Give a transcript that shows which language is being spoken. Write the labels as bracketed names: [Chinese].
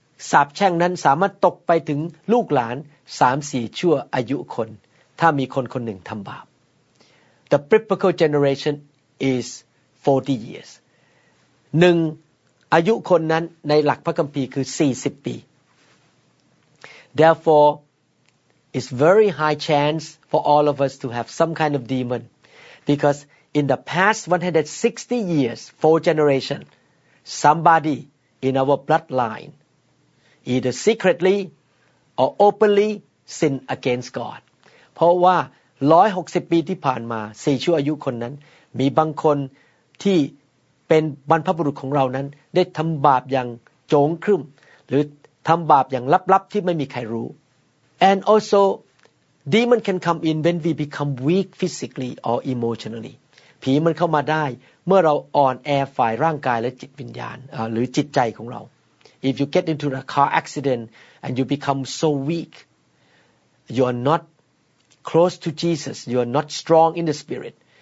[Thai] สาปแช่งนั้นสามารถตกไปถึงลูกหลาน 3-4 ชั่วอายุคนถ้ามีคนคนหนึ่งทำบาป [English] The biblical generation is 40 years. [Thai] 1 อายุคนนั้นในหลักพระคัมภีร์คือ40ปี [English] Therefore, it's very high chance for all of us to have some kind of demon. Because in the past 160 years, four generations, somebody in our bloodline, either secretly or openly sin against God. [Thai] เพราะว่า160ปีที่ผ่านมา4ชั่วอายุคนนั้นมีบางคนที่เป็นบรรพบุรุษของเรานั้นได้ทำบาปอย่างโจงครึ่มหรือทำบาปอย่างลับๆที่ไม่มีใครรู้ [English] And also demon can come in when we become weak physically or emotionally [Thai] ผีมันเข้ามาได้เมื่อเราอ่อนแอฝ่ายร่างกายและจิตวิญญาณหรือจิตใจของเรา [English] If you get into a car accident and you become so weak you are notclose to Jesus you are not strong in the spirit